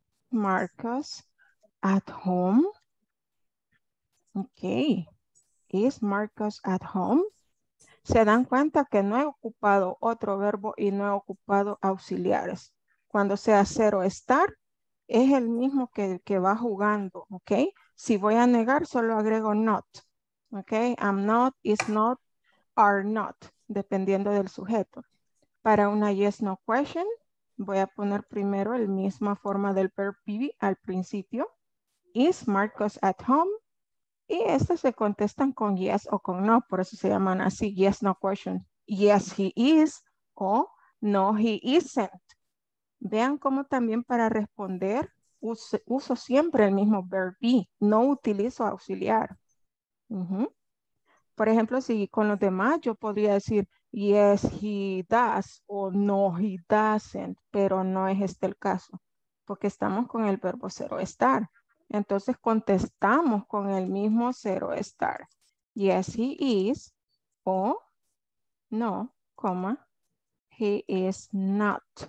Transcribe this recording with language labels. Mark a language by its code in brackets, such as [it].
[en] Marcos at home. Okay. Is Marcos at home? [es] ¿Se dan cuenta que no he ocupado otro verbo y no he ocupado auxiliares? Cuando sea ser o estar, es el mismo que va jugando, ¿ok? Si voy a negar, solo agrego not, ¿ok? [en] I'm not, is not, are not, [es] dependiendo del sujeto. Para una [en] yes, no question, [es] voy a poner primero la misma forma del verb be al principio. [en] Is Marcos at home? [es] Y estas se contestan con yes o con no, por eso se llaman así, [en] yes, no question. Yes, he is, o no, he isn't. [es] Vean cómo también para responder uso siempre el mismo verb be. No utilizo auxiliar. Uh-huh. Por ejemplo, si con los demás yo podría decir [en] yes, he does [es] o [en] no, he doesn't. [es] Pero no es este el caso. Porque estamos con el verbo ser o estar. Entonces contestamos con el mismo ser o estar. [en] Yes, he is o no, comma, he is not.